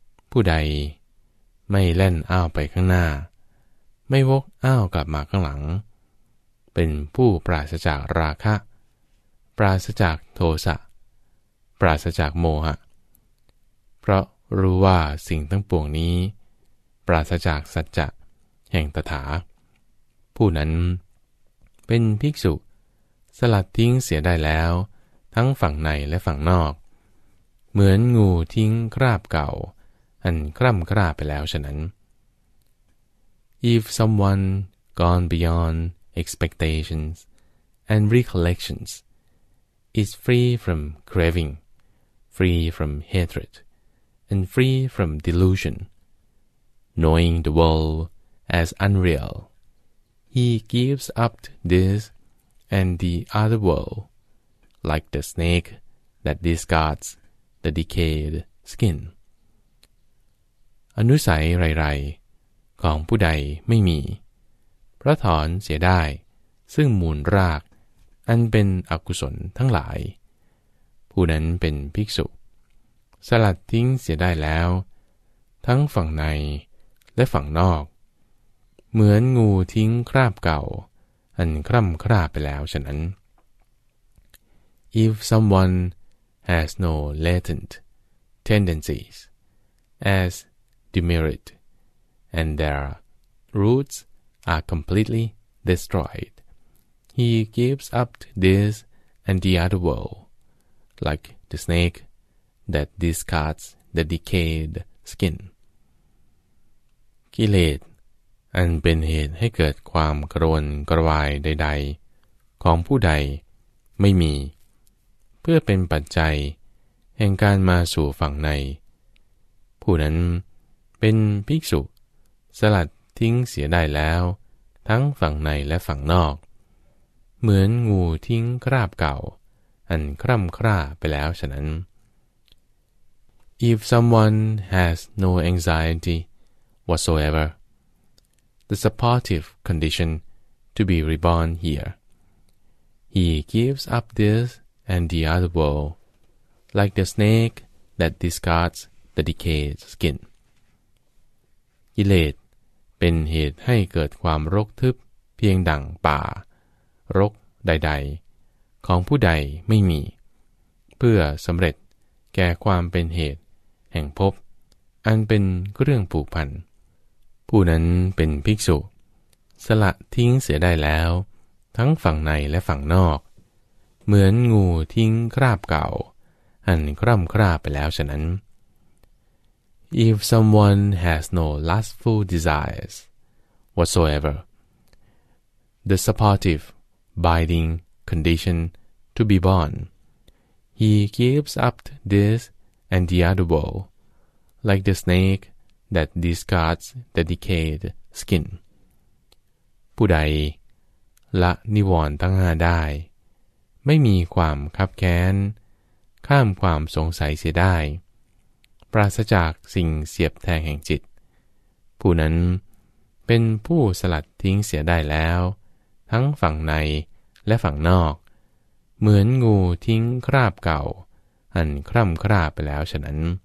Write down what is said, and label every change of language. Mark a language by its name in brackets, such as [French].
[Thai] ผู้ใดไม่แล่นอ้าวไปข้างหน้าไม่วกอ้าวกลับมาข้างหลังเป็นผู้ปราศจากราคะปราศจากโทสะปราศจากโมหะ เพราะรู้ว่าสิ่งทั้งปวงนี้ปราศจากสัจจะแห่งตถาผู้นั้นเป็นภิกษุสลัดทิ้งเสียได้แล้วทั้งฝั่งในและฝั่งนอกเหมือนงูทิ้งคราบเก่าอันคร่ำคร่าไปแล้วฉะนั้น [English] If someone gone beyond expectations and recollections is free from craving, free from hatred, and free from delusion, knowing the worldAs unreal, he gives up this and the other world, like the snake that discards the decayed skin. [Thai] อนุสัยไรๆของผู้ใดไม่มีเพราะถอนเสียได้ซึ่งมูลรากอันเป็นอกุศลทั้งหลายผู้นั้นเป็นภิกษุสลัดทิ้งเสียได้แล้วทั้งฝั่งในและฝั่งนอกเหมือนงูทิ้งคราบเก่าอันคร่ำคร่าไปแล้วฉะนั้น [English] If someone has no latent tendencies as demerit and their roots are completely destroyed, he gives up this and the other world, like the snake that discards the decayed skin. [Thai] กิเลสอันเป็นเหตุให้เกิดความกระวนกระวายใดๆของผู้ใดไม่มีเพื่อเป็นปัจจัยแห่งการมาสู่ฝั่งในผู้นั้นเป็นภิกษุสลัดทิ้งเสียได้แล้วทั้งฝั่งในและฝั่งนอกเหมือนงูทิ้งคราบเก่าอันคร่ำคร่าไปแล้วฉะนั้น [English] If someone has no anxiety whatsoeverThe supportive condition to be reborn here. He gives up this and the other world, like the snake that discards the decayed skin. [Thai] กิเลสเป็นเหตุให้เกิดความรกทึบเพียงดั่งป่ารกใดๆของผู้ใดไม่มีเพื่อสำเร็จแก่ความเป็นเหตุแห่งภพอันเป็นเรื่องผูกพันผู้นั้นเป็นภิกษุสละทิ้งเสียได้แล้วทั้งฝั่งในและฝั่งนอกเหมือนงูทิ้งคราบเก่าอันคร่ำคร่าไปแล้วฉะนั้น [English] If someone has no lustful desires whatsoever, the supportive binding condition to be born, he gives up this and the other world, like the snakeThat discards the decayed skin. [Thai] ผู้ใดละนิวรณ์ทั้งห้าได้ไม่มีความคับแค้นข้ามความสงสัยเสียได้ปราศจากสิ่งเสียบแทงแห่งจิตผู้นั้นเป็นผู้สลัดทิ้งเสียได้แล้วทั้งฝั่งในและฝั่งนอกเหมือนงูทิ้งคราบเก่าอันคร่ำคร่าไปแล้วฉะนั้น